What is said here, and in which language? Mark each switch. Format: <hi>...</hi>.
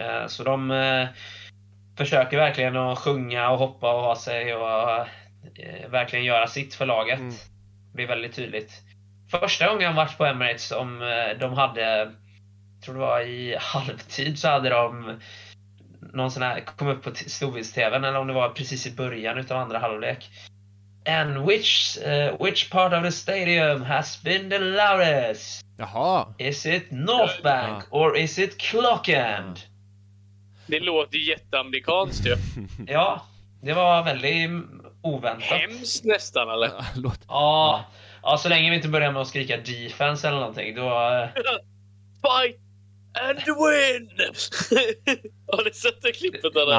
<sv>Så de försöker verkligen att sjunga och hoppa och ha sig och verkligen göra sitt för laget. Det blir väldigt tydligt. Första gången jag varit på Emirates, om de hade, tror det var i halvtid, så hade de någon sån här, kom upp på storbilds-tvn, eller om det var precis i början utav andra halvlek.</sv> <en>And which part of the stadium has been the loudest?</en> <sv>Jaha.</sv> <en>Is it North Bank or is it Clock End?</en> <sv>Det låter ju jätteamerikanskt ju. Ja, det var väldigt oväntat. Hemskt nästan, eller? Ja, så länge vi inte börjar med att skrika defense eller någonting, då...</sv> <en>Fight and win!</en> <sv>Har ni sett det klippet eller?</sv>